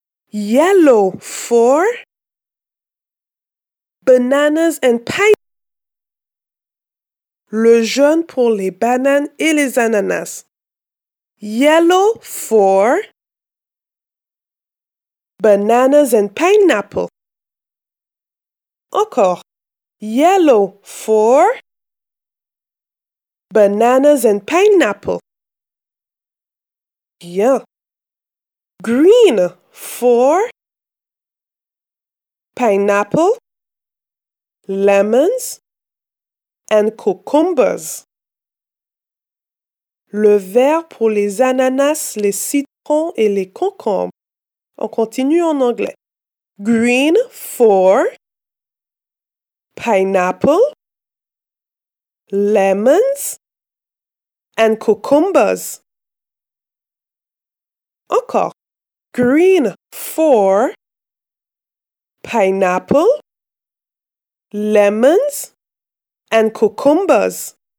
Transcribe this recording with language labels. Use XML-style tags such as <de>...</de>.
<en>Yellow for bananas and pineapples.</en> <fr>Le jaune pour les bananes et les ananas.</fr> <en>Yellow for bananas and pineapple.</en> <fr>Encore.</fr> <en>Yellow for bananas and pineapple.</en> <fr>Bien.</fr> <en>Green for pineapple, lemons, and cucumbers.</en> <fr>Le vert pour les ananas, les citrons et les concombres. On continue en anglais.</fr> <en>Green for pineapple, lemons, and cucumbers.</en> <fr>Encore.</fr> <en>Green for pineapple, lemons, and cucumbers.</en>